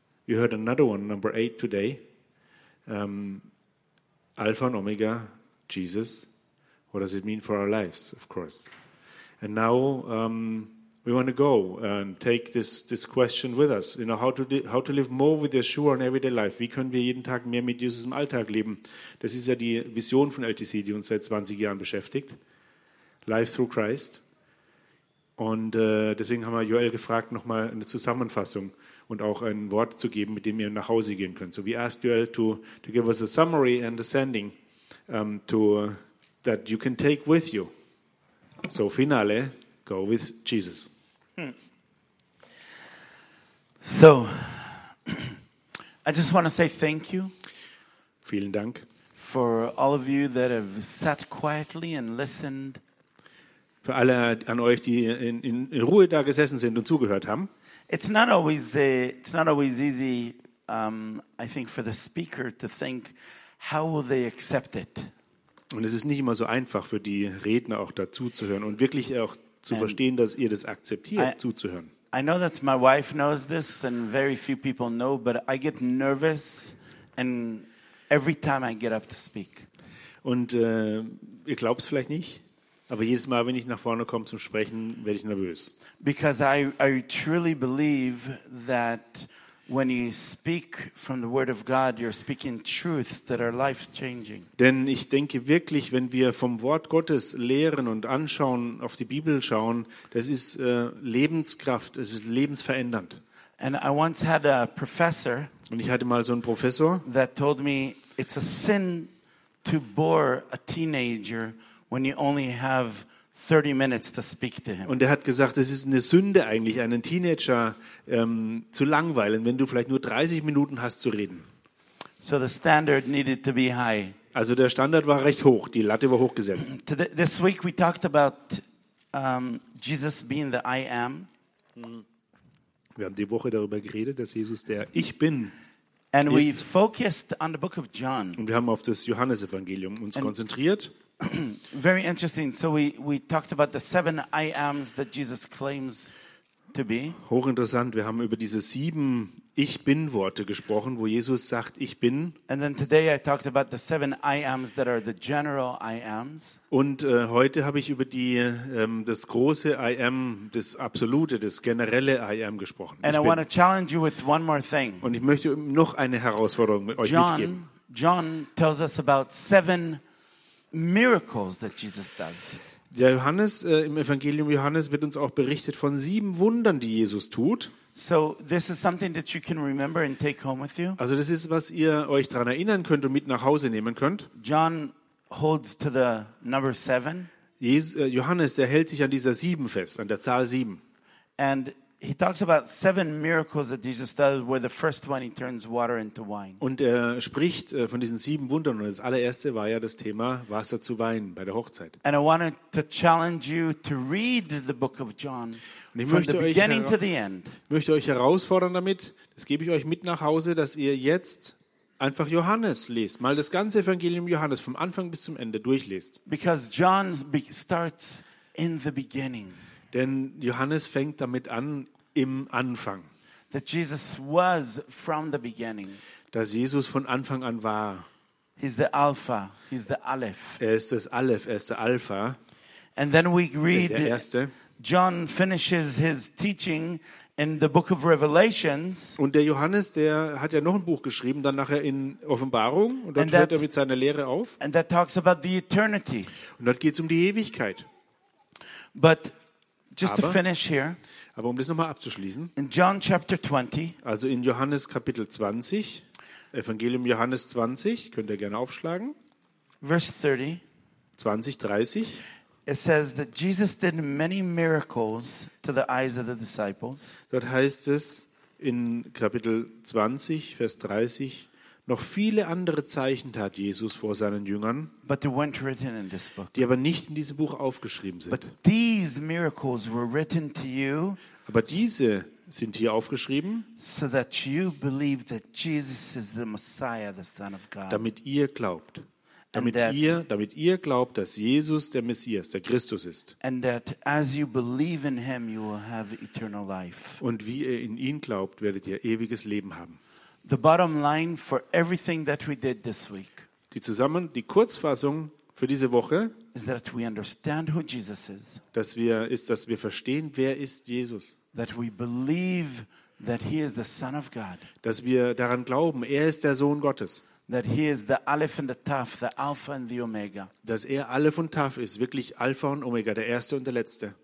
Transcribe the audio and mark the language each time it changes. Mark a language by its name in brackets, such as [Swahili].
[English] You heard another one, number eight today. Alpha and Omega, Jesus. What does it mean for our lives, of course? And now we want to go and take this question with us. You know, how to live more with Yeshua in everyday life. [German] Wie können wir jeden Tag mehr mit Jesus im Alltag leben? Das ist ja die Vision von LTC, die uns seit 20 Jahren beschäftigt. Life through Christ. Und deswegen haben wir Joel gefragt, nochmal eine Zusammenfassung und auch ein Wort zu geben, mit dem ihr nach Hause gehen könnt. [English] So we asked Joel to give us a summary and a sending that you can take with you. So finale, go with Jesus. So, I just want to say thank you. [German] Vielen Dank. [English] For all of you that have sat quietly and listened. [German] Für alle an euch, die in Ruhe da gesessen sind und zugehört haben. [English] It's not always easy, I think, for the speaker to think, how will they accept it? [German] Und es ist nicht immer so einfach für die Redner auch dazu zu hören und wirklich auch zu verstehen, dass ihr das akzeptiert, zuzuhören. [English] I know that my wife knows this and very few people know, but I get nervous and every time I get up to speak. [German] Und ihr glaubt es vielleicht nicht? Aber jedes Mal, wenn ich nach vorne komme zum Sprechen, werde ich nervös. [English] Because I truly believe that when you speak from the Word of God, you're speaking truths that are life-changing. [German] Denn ich denke wirklich, wenn wir vom Wort Gottes lehren und anschauen, auf die Bibel schauen, das ist Lebenskraft, es ist lebensverändernd. [English] And I once had a professor. [German] Und ich hatte mal so einen Professor. [English] That told me it's a sin to bore a teenager. When you only have 30 minutes to speak to him. [German] Und er hat gesagt, es ist eine Sünde eigentlich, einen Teenager zu langweilen, wenn du vielleicht nur 30 Minuten hast zu reden. [English] So the standard needed to be high. [German] Also der Standard war recht hoch, die Latte war hochgesetzt. [English] This week we talked about Jesus being the I am. [German] Wir haben die Woche darüber geredet, dass Jesus der Ich Bin. [English] And we focused on the book of John. [German] Und wir haben auf das Johannesevangelium uns konzentriert. [English] Very interesting. So we talked about the seven I ams that Jesus claims to be. [German] Hochinteressant, wir haben über diese sieben Ich Bin-Worte gesprochen, wo Jesus sagt, ich bin. [English] And then today I talked about the seven I Ams that are the general I Ams. [German] Und heute habe ich über die das große I Am, das absolute, das generelle I Am gesprochen. [English] And I want to challenge you with one more thing. [German] Und ich möchte noch eine Herausforderung mit euch mitgeben. [English] John tells us about seven miracles that Jesus does. [German] Der Johannes im Evangelium Johannes wird uns auch berichtet von sieben Wundern, die Jesus tut. [English] So this is something that you can remember and take home with you. [German] Also das ist, was ihr euch daran erinnern könnt und mit nach Hause nehmen könnt. [English] John holds to the number seven. [German] Johannes, der hält sich an dieser sieben fest, an der Zahl sieben. [English] And he talks about seven miracles that Jesus does, where the first one he turns water into wine. [German] Und er spricht von diesen sieben Wundern, und das allererste war ja das Thema Wasser zu Wein bei der Hochzeit. [English] And I wanted to challenge you to read the book of John. [German] Und ich möchte euch herausfordern damit, das gebe ich euch mit nach Hause, dass ihr jetzt einfach Johannes lest, mal das ganze Evangelium Johannes vom Anfang bis zum Ende durchlest. [English] Because John starts in the beginning. [German] Denn Johannes fängt damit an, im Anfang. [English] That Jesus was from the beginning. [German] Dass Jesus von Anfang an war. [English] He's the Alpha, he's the Aleph. [German] Er ist das Aleph, er ist der Alpha. [English] And then we read, [German] der Erste. [English] John finishes his teaching in the book of Revelations. [German] Und der Johannes, der hat ja noch ein Buch geschrieben, dann nachher in Offenbarung, und dort hört er mit seiner Lehre auf. [English] And that talks about the eternity. [German] Und dort geht's um die Ewigkeit. [English] But just to finish here. [German] Aber um das nochmal abzuschließen. [English] In John chapter 20. [German] Also in Johannes Kapitel 20, Evangelium Johannes 20, könnt ihr gerne aufschlagen. [English] Verse 30. It says that Jesus did many miracles to the eyes of the disciples. [German] Dort heißt es in Kapitel 20, Vers 30, noch viele andere Zeichen tat Jesus vor seinen Jüngern, [English] but they weren't written in this book. [German] Die aber nicht in diesem Buch aufgeschrieben sind. [English] But these miracles were written to you, [German] aber diese sind hier aufgeschrieben, [English] so that you believe that Jesus is the Messiah, the Son of God. [German] Damit ihr glaubt. Damit ihr glaubt, dass Jesus der Messias, der Christus ist. [English] And that as you believe in him, you will have eternal life. [German] Und wie ihr in ihn glaubt, werdet ihr ewiges Leben haben. [English] The bottom line for everything that we did this week. [German] Die Kurzfassung für diese Woche [English] is that we understand who Jesus is. [German] Dass wir verstehen, wer ist Jesus. [English] That we believe that he is the Son of God. [German] Dass wir daran glauben, er ist der Sohn Gottes. [English] That he is the Aleph and the Taf, the Alpha and the Omega. [German] Dass er Aleph und Taf ist, wirklich Alpha und Omega, der Erste und der Letzte.